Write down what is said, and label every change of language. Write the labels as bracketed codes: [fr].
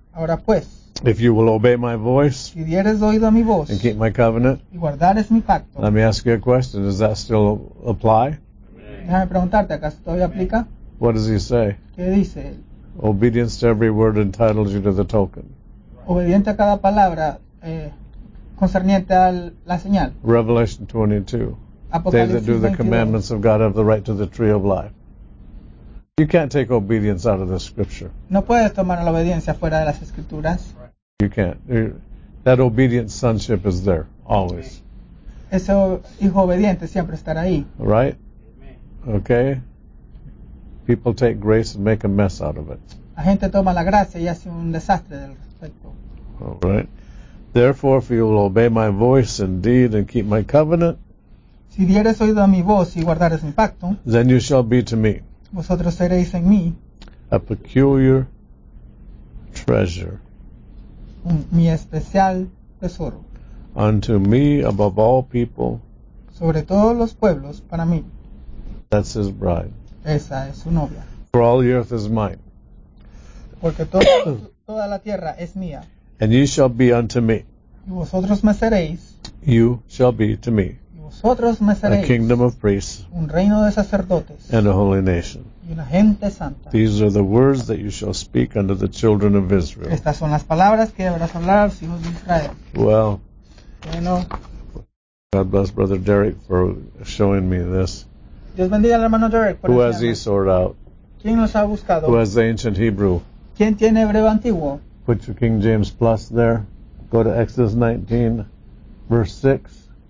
[es] Ahora pues. [en] If you will obey my voice, [es] si dieres oído a mi voz, [en] and keep my covenant, [es] y guardares mi pacto, [en] let me ask you a question. Does that still apply? [es] Déjame preguntarte, ¿acaso todavía aplica? [en] What does he say? [es] ¿Qué dice? [en] Obedience to every word entitles you to the token. [es] Obediente a cada palabra, concerniente a la señal. [en] Revelation 22. [es] Apocalipsis [en] they that do The commandments of God have the right to the tree of life. You can't take obedience out of the scripture. [es] No puedes tomar la obediencia fuera de las escrituras. [en] You can't. That obedient sonship is there, always. [es] Eso hijo obediente siempre estará ahí. [en] Right? Okay? People take grace and make a mess out of it. [es] La gente toma la gracia y hace un desastre del respecto. [en] All right. Therefore, if you will obey my voice indeed and keep my covenant, [es] si dieres oído a mi voz y guardares mi pacto, [en] then you shall be to me. [es] Vosotros seréis en mí. [en] A peculiar treasure. [es] Mi especial tesoro. [en] Unto me above all people. [es] Sobre todos los pueblos para mí. [en] That's his bride. [es] Esa es su novia. [en] For all the earth is mine. [es] Porque toda la tierra es mía. [en] And ye shall be unto me. [es] Y vosotros me seréis. [en] You shall be to me. [es] Vosotros me seréis [en] a kingdom of priests, [es] un reino de sacerdotes, [en] and a holy nation. [es] Y una gente santa. [en] These are the words that you shall speak unto the children of Israel. [es] Estas son las palabras que deberás hablar a los hijos de Israel. [en] Well, [es] bueno, [en] God bless Brother Derek for showing me this. [es] Dios bendiga al hermano Derek. [en] Who has he sought out? [es] ¿Quién los ha buscado? [en] Who has the ancient Hebrew? [es] ¿Quién tiene hebreo antiguo? [en] Put your King James Plus there. Go to Exodus 19, verse 6.